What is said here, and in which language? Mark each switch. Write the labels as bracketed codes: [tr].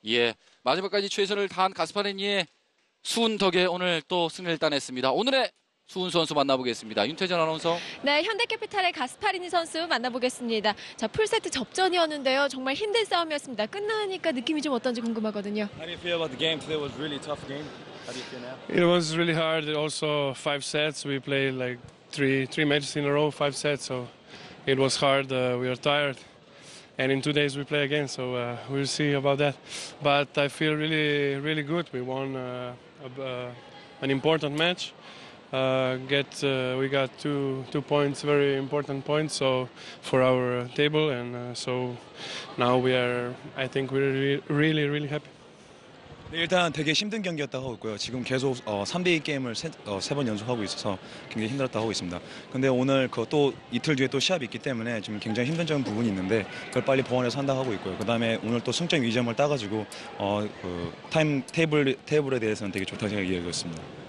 [ko] 예, 마지막까지 최선을 다한 가스파린이의 수훈 덕에 오늘 또 승리를 따냈습니다. 오늘의 수훈 선수 만나보겠습니다. 윤태전 아나운서. 네, 현대캐피탈의 가스파리니 선수 만나보겠습니다. 자, 풀세트 접전이었는데요. 정말 힘든 싸움이었습니다. 끝나니까 느낌이 좀 어떤지 궁금하거든요. [en] How do you feel about the game today? It was really tough game. How do you feel now? It was really hard. Also, five sets. We played like three matches in a row, five sets. So it was hard. We are tired. And in 2 days we play again. So we'll see about that. But I feel really, really good. We won an important match. We got two points, very important points, so for our table, and so now we are, I think we're really, really happy. [ko] 네, 일단 되게 힘든 경기였다고 하고 있고요. 지금 계속 3대2 게임을 3번 연속하고 있어서 굉장히 힘들었다고 하고 있습니다. 근데 오늘 그 또 이틀 뒤에 또 시합이 있기 때문에 지금 굉장히 힘든 점 부분이 있는데 그걸 빨리 보완해서 한다고 하고 있고요. 그다음에 오늘 또 승점 2점을 따가지고 테이블에 대해서는 되게 좋다고 생각하고 있습니다.